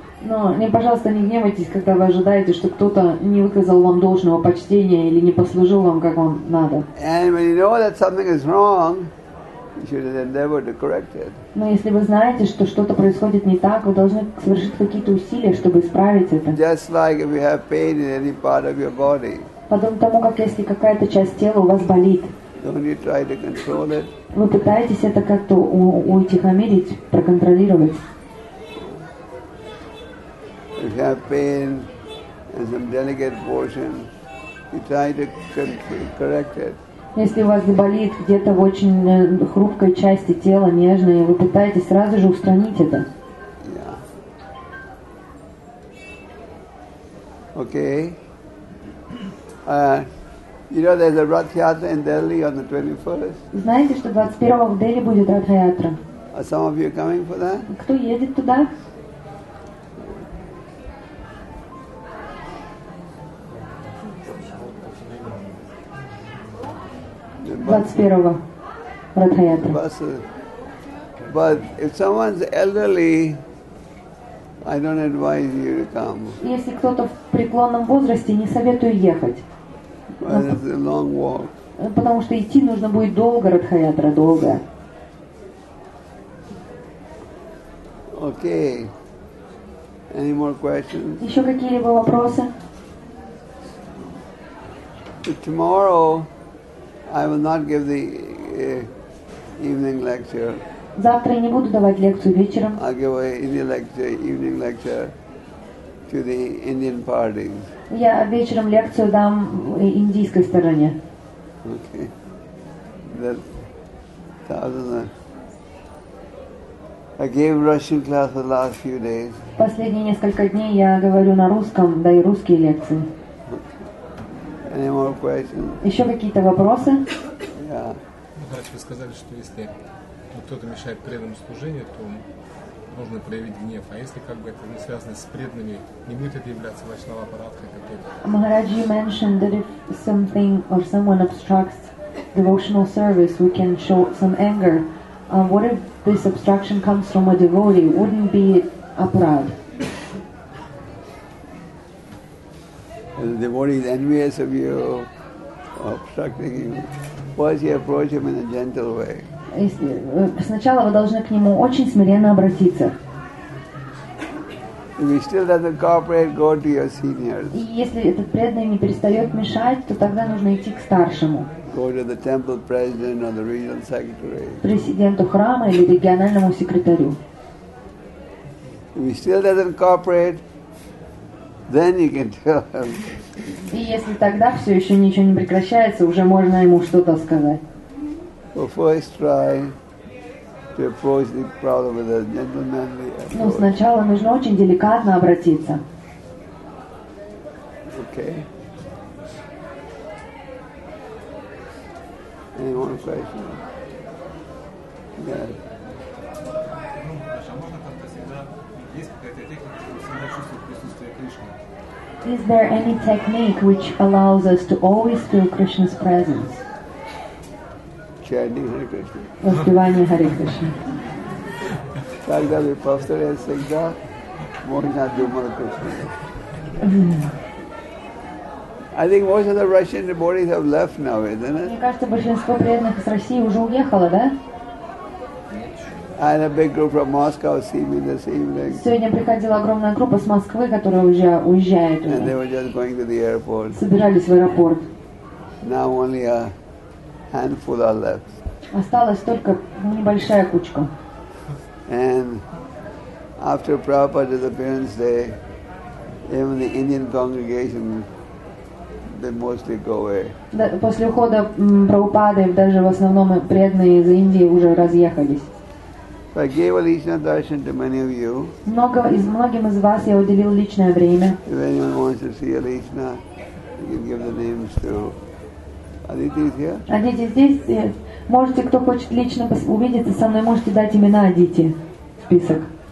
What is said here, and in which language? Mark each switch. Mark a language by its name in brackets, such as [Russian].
[Russian] Но не, пожалуйста, не гневайтесь, когда вы ожидаете, что кто-то не выказал вам должного почтения или не послужил вам, как вам надо. [English] And when you know that something is wrong, you should endeavor to correct it. [Russian] Но если вы знаете, что что-то происходит не так, вы должны совершить какие-то усилия, чтобы исправить это. [English] Just like if you have pain in any part of your body. [Russian] Подобно тому, как если какая-то часть тела у вас болит. [English] Don't you try to control it? [Russian] Вы пытаетесь это как-то утихомирить, проконтролировать? [English] If you have pain in some delicate portion, you try to correct it. [Russian] Если у вас болит где-то в очень хрупкой части тела, нежной, вы пытаетесь сразу же устранить это? [English] Yeah. Okay. You know, there's a Rath Yatra in Delhi on the 21st. [Russian] Знаете, что 21-го в Дели будет Рат Ятра? [English] Are some of you coming for that? [Russian] Кто едет туда? [English] The [Russian] 21-го Рат Ятра. [English] Buses. But if someone's elderly, I don't advise you to come. [Russian] Если кто-то в преклонном возрасте, не советую ехать. [English] But it's a long walk. [Russian] Потому что идти нужно будет долго, Радхаятра, долго. [English] Okay. Any more questions? [Russian] Еще какие-либо вопросы? [English] So tomorrow I will not give the evening lecture. [Russian] Завтра я не буду давать лекцию вечером. [English] I'll give an evening lecture to the Indian party. [Russian] Я вечером лекцию дам индийской стороне. [English] Okay. That's thousands of I gave Russian class the last few days. [Russian] Последние несколько дней я говорю на русском, даю русские лекции. [English] Any more questions? [Russian] Еще какие-то вопросы? [English] Yeah. [Russian] Вы сказали, что если кто-то мешает преданному служению, то можно проявить гнев. А если как бы это не связано с преданными, не будет это являться вайшнава парадхой какой-то? [English] Maharaj mentioned that if something or someone obstructs devotional service, we can show some anger. What if this obstruction comes from a devotee? Wouldn't be aparad? The devotee is envious of you, obstructing him. First, you approach him in a gentle way. [Russian] Сначала вы должны к нему очень смиренно обратиться. [English] If he still doesn't cooperate, go to your seniors. [Russian] И если этот преданный не перестает мешать, то тогда нужно идти к старшему. [English] Go to the temple president or the regional secretary. [Russian] Президенту храма или региональному секретарю. [English] If he still doesn't cooperate, then you can tell him. [Russian] И если тогда все еще ничего не прекращается, уже можно ему что-то сказать. [English] First try to approach the crowd with a gentlemanly approach. [Russian] Ну, сначала нужно очень деликатно обратиться. [English] Okay. Any more questions? Yes. Is there any technique which allows us to always feel Krishna's presence? Chanting Hare Krishna. [Russian] Воспевание Hare Krishna. Когда мы повторяем всегда, можно думать о Кришне. [English] I think most of the Russian devotees have left now, isn't it? [Russian] Мне кажется, большинство преданных из России уже уехало, да? [English] I had a big group from Moscow see me this evening. [Russian] Сегодня приходила огромная группа с Москвы, которая уже уезжает. [English] And they were just going to the airport. [Russian] Собирались в аэропорт. [English] Now only a handful are left. [Russian] Осталась только небольшая кучка. [English] And after Prabhupada's disappearance day, even the Indian congregation they mostly go away. [Russian] После ухода Прабхупады даже в основном преданные из Индии уже разъехались. [English] I gave [Russian] личное даршан [English] to many of you. [Russian] Многим из вас я уделил личное время. [English] If anyone wants to see Alishna, you can give the names to Aditi here. [Russian] Aditi здесь. Можете, кто хочет лично увидеться со мной, можете дать имена Aditi в список.